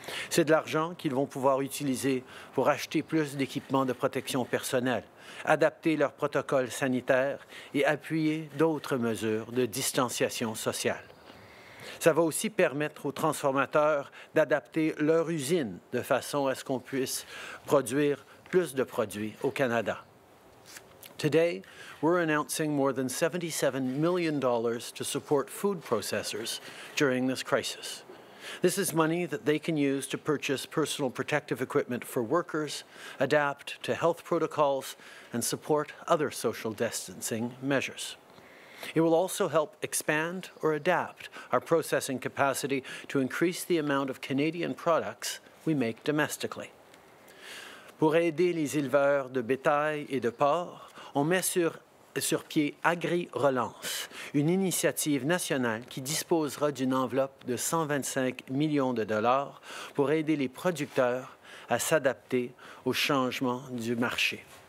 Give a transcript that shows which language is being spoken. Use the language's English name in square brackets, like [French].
[French] C'est de l'argent qu'ils vont pouvoir utiliser pour acheter plus d'équipements de protection personnelle, adapter leurs protocoles sanitaires et appuyer d'autres mesures de distanciation sociale. Ça va aussi permettre aux transformateurs d'adapter leur usine de façon à ce qu'on puisse produire plus de produits au Canada. [English] Today, we're announcing more than $77 million to support food processors during this crisis. This is money that they can use to purchase personal protective equipment for workers, adapt to health protocols, and support other social distancing measures. It will also help expand or adapt our processing capacity to increase the amount of Canadian products we make domestically. [French] Pour aider les éleveurs de bétail et de porc, on met sur pied Agri-Relance, une initiative nationale qui disposera d'une enveloppe de 125 millions de dollars pour aider les producteurs à s'adapter aux changements du marché.